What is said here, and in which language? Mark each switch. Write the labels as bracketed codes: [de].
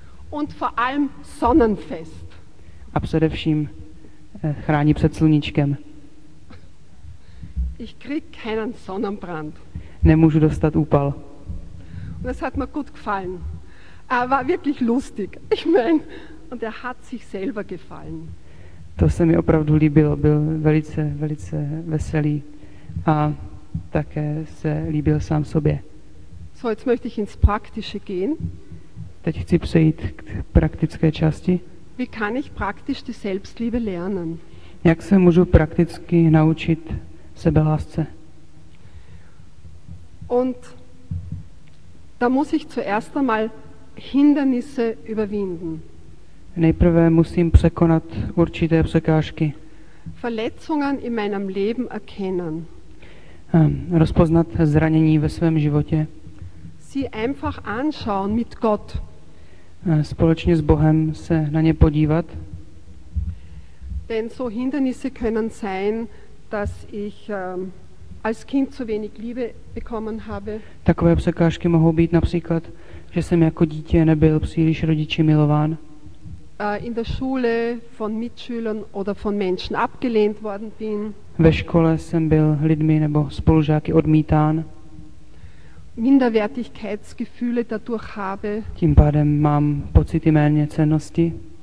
[de] Und vor allem sonnenfest. [cs] A především chrání před sluníčkem. [de] Ich krieg keinen Sonnenbrand. [cs] Nemůžu dostat úpal. [de] Und das hat mir gut gefallen. War wirklich lustig. Ich meine, und hat sich selber gefallen. [cs] To se mi opravdu líbilo, byl velice, velice veselý. A také se líbil sám sobě. [de] So, jetzt möchte ich ins Praktische gehen. [cs] Teď chci přejít k praktické části. [de] Wie kann ich praktisch die Selbstliebe lernen? [cs] Jak se můžu prakticky naučit sebelásce? [de] Und da muss ich zuerst einmal Hindernisse überwinden. [cs] Nejprve musím překonat určité překážky. [de] Verletzungen in meinem Leben erkennen. [cs] Rozpoznat zranění ve svém životě. [de] Sie einfach anschauen mit Gott. [cs] Společně s Bohem se na ně podívat. [de] Denn so Hindernisse können sein, dass ich als Kind zu wenig Liebe bekommen habe. [cs] Takové překážky mohou být například, že jsem jako dítě nebyl příliš rodiči milován. [de] In der Schule von Mitschülern oder von Menschen abgelehnt worden bin. [cs] Ve škole jsem byl lidmi nebo spolužáky odmítán. [de] Minderwertigkeitsgefühle dadurch habe. [cs] Tím pádem mám pocity méně cennosti.